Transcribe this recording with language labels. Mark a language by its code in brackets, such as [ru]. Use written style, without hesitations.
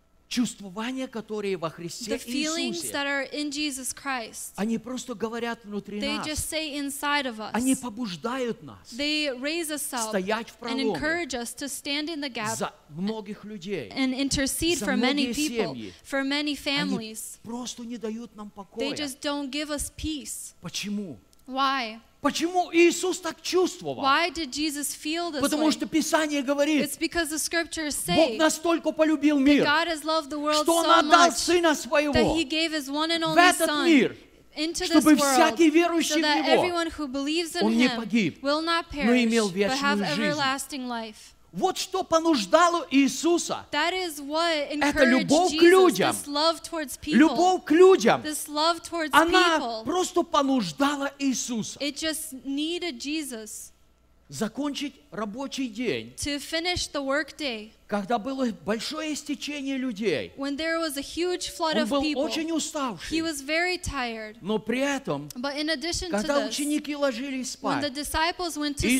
[ru] Чувствования, которые во Христе Иисусе. [en] The feelings that are in Jesus Christ. [ru] Они просто говорят внутри нас. [en] They just say inside of us. [ru] Они побуждают нас. [en] They raise us up. [ru] Стоять в проломе. [en] And encourage us to stand in the gap. [ru] За многих людей. [en] And intercede for many people. For many families. [ru] Они просто не дают нам покоя. [en] They just don't give us peace. [ru] Почему? [en] Why? [ru] Почему Иисус так чувствовал? [en] Why did Jesus feel this [ru] Потому [en] way? [ru] Что Писание говорит, [en] It's because the scriptures say [ru] Бог настолько полюбил мир, [en] God has loved the world [ru] что Он [en] so [ru] отдал [en] much, [ru] Сына Своего [en] that he gave his one and only [ru] в этот [en] son. [ru] Мир. [en] Into this [ru] чтобы [en] world, [ru] всякий верующий [en] so that [ru] в Него [en] everyone who believes in [ru] Он не погиб, [en] will not perish, [ru] но имел вечную [en] but have [ru] жизнь. [en] Life. [ru] Вот что понуждало Иисуса. [en] That is what encouraged [ru] это любовь [en] Jesus, [ru] к людям. [en] This love towards people, [ru] любовь к людям. [en] This love towards [ru] Она [en] people. [ru] Просто понуждала Иисуса. [en] It just needed Jesus [ru] закончить рабочий день. [en] To finish the work day. [ru] Когда было большое стечение людей, [en] when there was a huge flood [ru] он был [en] of people, [ru] очень уставший, [en] he was very tired. [ru] Но при этом, [en] But in addition [ru] когда [en] to [ru] ученики [en] this, [ru] ложились спать, [en] when the disciples went to